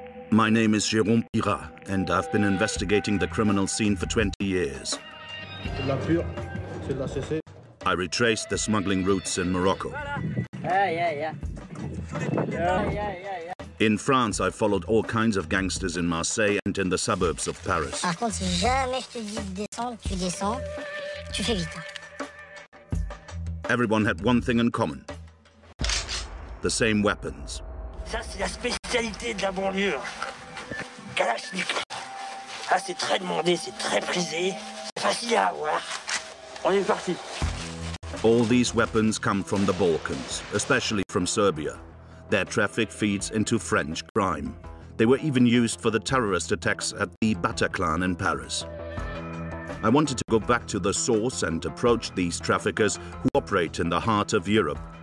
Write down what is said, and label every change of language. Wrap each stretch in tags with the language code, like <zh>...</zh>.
<en>My name is Jérôme Pierrat, and I've been investigating the criminal scene for 20 years.</en> <fr>C'est de la pure, c'est de la CC.</fr> <en>I retraced the smuggling routes in Morocco. In France, I followed all kinds of gangsters in Marseille and in the suburbs of Paris.</en> <fr>Par contre, si jamais je te dis de descendre, tu descends, tu fais vite.</fr> <en>Everyone had one thing in common. The same weapons.</en> <fr>Ça, c'est la spécialité de la banlieue. Kalachnikov. Ah, c'est très demandé, c'est très prisé. C'est facile à avoir. On est parti.</fr> <en>All these weapons come from the Balkans, especially from Serbia. Their traffic feeds into French crime. They were even used for the terrorist attacks at the Bataclan in Paris. I wanted to go back to the source and approach these traffickers who operate in the heart of Europe.</en>